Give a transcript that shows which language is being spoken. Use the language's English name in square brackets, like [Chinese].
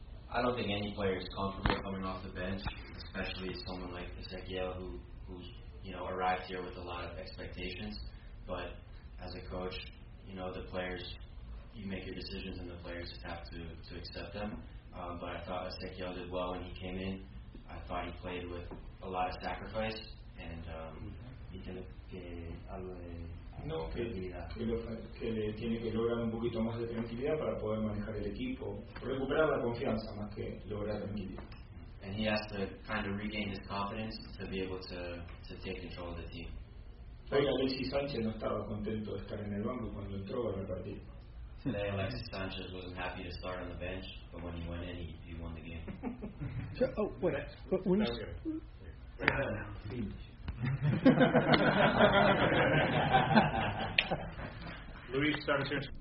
[English] I don't think any player is comfortable coming off the bench, especially someone like Ezequiel, who's, you know, arrived here with a lot of expectations. But as a coach, you know, the players, you make your decisions and the players have to accept them. But I thought Ezequiel did well when he came in. I thought he played with a lot of sacrifice, and [Spanish] tiene que lograr un poquito más de tranquilidad para poder manejar el equipo, recuperar la confianza más que lograr tranquilidad. [English] And he has to kind of regain his confidence to be able to take control of the team. [Spanish] Hoy Alexis Sánchez no estaba contento de estar en el banco cuando entró en el partido. [English] Today Alexis Sanchez wasn't happy to start on the bench, but when he went in, he won the game. So, oh, wait. Luis, start us here.